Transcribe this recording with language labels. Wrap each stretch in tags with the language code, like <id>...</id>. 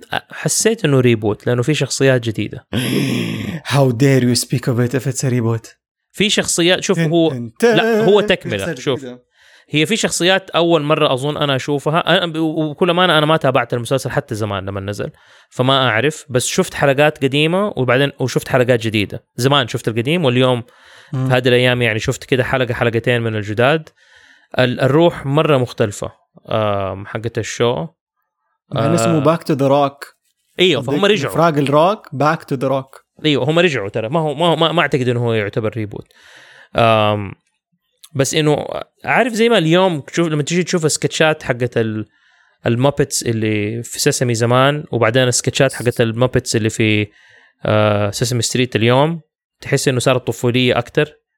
<ar>حسيت إنه ريبوت لأنه في شخصيات جديدة.</ar> <en>How dare you speak of it if it's a reboot.</en> <ar>في شخصيات شوف هو لا هو تكملة. شوف هي في شخصيات أول مرة أظن أنا أشوفها. أنا بكل أمانة أنا ما تابعت المسلسل حتى زمان لما نزل, فما أعرف, بس شفت حلقات قديمة وبعدين وشفت حلقات جديدة. زمان شفت القديم واليوم في هذه الأيام يعني شفت كده حلقة حلقتين من الجداد. الروح مرة مختلفة حقت الشو. كان اسمه Back to the Rock. أيوه فهم رجعوا. فراغل روك Back to the Rock. أيوه هم رجعوا ترى, ما أعتقد إنه هو يعتبر ريبوت. بس إنه عارف زي ما اليوم تشوف لما تيجي تشوف سكتشات حقت المابتس اللي في سيسمي زمان, وبعدين سكتشات حقت المابتس اللي في سيسمي ستريت اليوم, تحس إنه صارت طفولية أكتر.</ar>